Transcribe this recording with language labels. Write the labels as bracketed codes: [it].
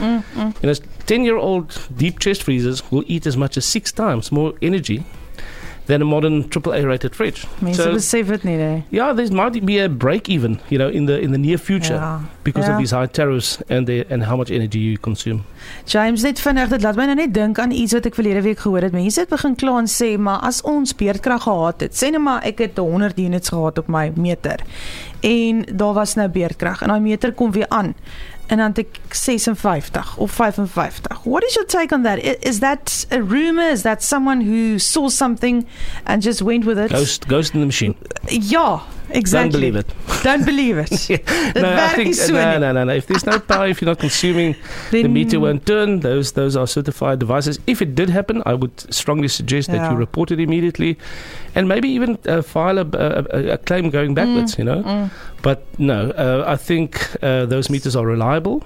[en] You know, 10-year-old deep chest freezers will eat as much as 6 times more energy than a modern AAA rated fridge. There might be a break even, you know, in the near future because of these high tariffs and how much energy you consume. [af] James, net vinnig, dit laat my nou net dink aan iets wat ek verlede week gehoor het. Mense het begin kla en sê, maar as ons beerdkrag gehad het, sê nou maar ek het 100 units gehad op my meter en daar was nou beerdkrag en die meter kom weer aan en dan het ek 56 of 55. [en] What is your take on that? Is that a rumor? Is that someone who saw something and just went with it? Ghost in the machine. Yeah, exactly. Don't believe it. If there's no power, if you're not consuming, then the meter won't turn. Those are certified devices. If it did happen, I would strongly suggest that you report it immediately and maybe even file a claim going backwards, But no, I think those meters are reliable.